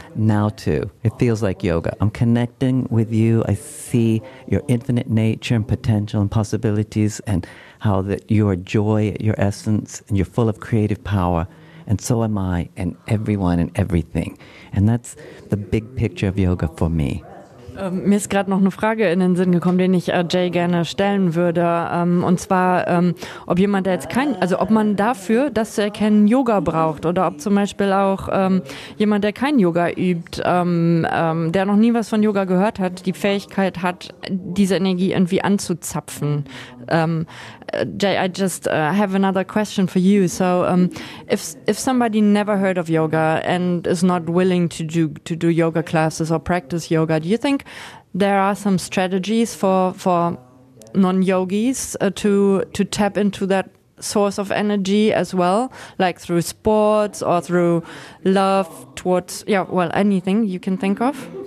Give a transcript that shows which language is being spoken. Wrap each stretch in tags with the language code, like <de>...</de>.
<en>Now too. It feels like yoga. I'm connecting with you. I see your infinite nature and potential and possibilities and how that you are joy at your essence and you're full of creative power. And so am I and everyone and everything. And that's the big picture of yoga for me.</en> <de>Mir ist gerade noch eine Frage in den Sinn gekommen, den ich Jay gerne stellen würde. Und zwar, ob jemand, der jetzt kein, also ob man dafür, das zu erkennen, Yoga braucht. Oder ob zum Beispiel auch jemand, der kein Yoga übt, der noch nie was von Yoga gehört hat, die Fähigkeit hat, diese Energie irgendwie anzuzapfen.</de> <en>Jay, I just have another question for you. So if somebody never heard of yoga and is not willing to do yoga classes or practice yoga, do you think there are some strategies for non-yogis to tap into that source of energy as well, like through sports or through love towards, yeah, well, anything you can think of?</en>